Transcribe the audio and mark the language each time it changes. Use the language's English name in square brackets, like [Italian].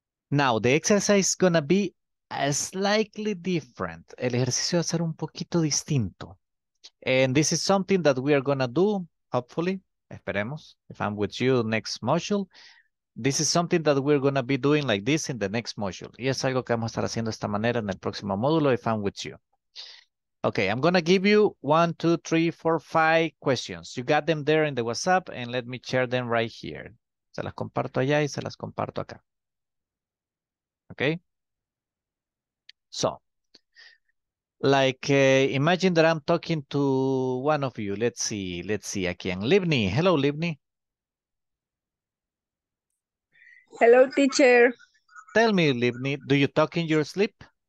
[English] Now, the exercise is going to be slightly different. [Spanish] El ejercicio va a ser un poquito distinto. [English] And this is something that we are going to do, hopefully, esperemos, if I'm with you next module. This is something that we're going to be doing like this in the next module. [Spanish] Y es algo que vamos a estar haciendo de esta manera en el próximo módulo, [English] if I'm with you. Okay, I'm going to give you 1, 2, 3, 4, 5 questions. You got them there in the WhatsApp, and let me share them right here. [Spanish] Se las comparto allá y se las comparto acá. [English] Okay? So, imagine that I'm talking to one of you. Let's see, [Spanish] aquí en Livni. [English] Hello, Livni. Hello, teacher. Tell me, Livni, do you talk in your sleep?